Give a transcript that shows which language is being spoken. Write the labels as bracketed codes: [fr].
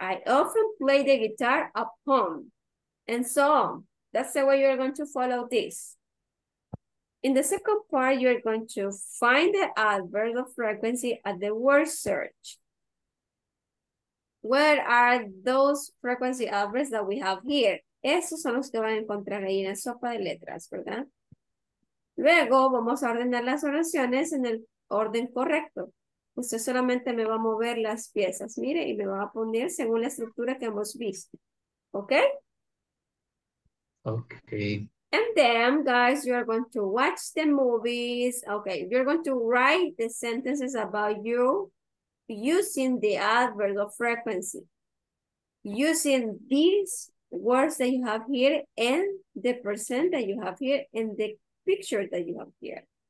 [en] I often play the guitar upon, and so on. That's the way you're going to follow this. In the second part, you're going to find the adverb of frequency at the word search. Where are those frequency adverbs that we have here? [es] Esos son los que van a encontrar ahí en la sopa de letras, ¿verdad? Luego, vamos a ordenar las oraciones en el orden correcto. Usted solamente me va a mover las piezas, mire, y me va a poner según la estructura que hemos visto. [en] Okay? Okay. And then, guys, you are going to watch the movies. Okay, you're going to write the sentences about you using the adverb of frequency, using these words that you have here and the percent that you have here and the picture that you have here.